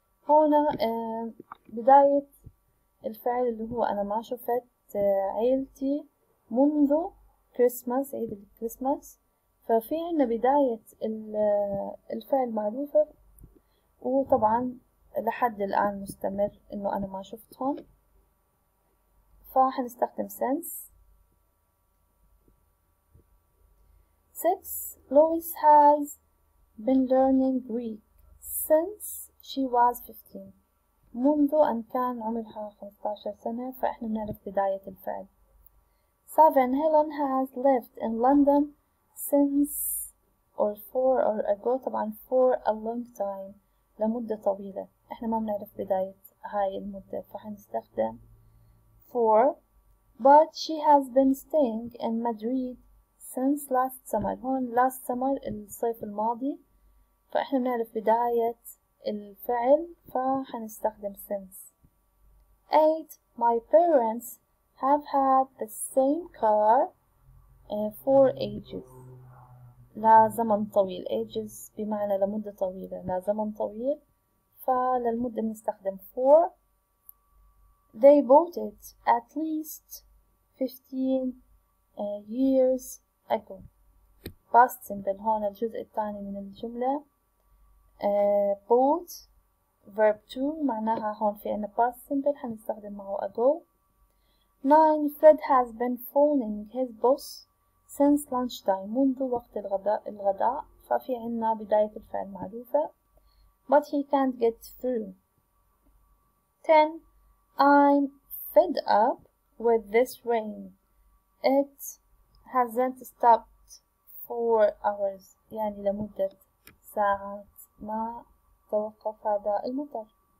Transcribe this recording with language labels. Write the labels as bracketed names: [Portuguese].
[Arabic] هنا بداية الفعل اللي هو أنا ما شفت عيلتي منذ كريسماس، عيد الكريسماس. ففي عنا بداية الفعل معروفة، وطبعا لحد الآن مستمر إنه أنا ما شفتهم، فحنستخدم since. 6. [English] Lois has been learning Greek since she was 15. [Arabic] منذ أن كان عمرها 15 سنة، فإحنا نعرف بداية الفعل. [English] 7. Helen has lived in London since or for or ago. [Arabic] طبعا [English] for a long time، [Arabic] لمدة طويلة، إحنا ما بنعرف بداية هاي المدة، فحنستخدم for. [English] But she has been staying in Madrid since last summer. [Arabic] هون [English] last summer [Arabic] الصيف الماضي، فإحنا بنعرف بداية الفعل، فحنستخدم since. 8. [English] My parents have had the same car for ages. [Arabic] لزمن طويل، ages بمعنى لمدة طويلة، لزمن طويل، فللمدة بنستخدم for. [English] They bought it at least 15 years ago. [Arabic] Past simple هون الجزء الثاني من الجملة. [English] Bought verb 2 [Arabic] معناها هون في عنا past simple حنستخدم معه ago. 9. [English] Fred has been phoning his boss since lunchtime. [Arabic] منذ وقت الغداء، ففي عنا بداية الفعل معروفة. [English] But he can't get through. 10. I'm fed up with this rain. It hasn't stopped for hours. [Arabic] يعني لمدة ساعات ما توقف هذا المطر.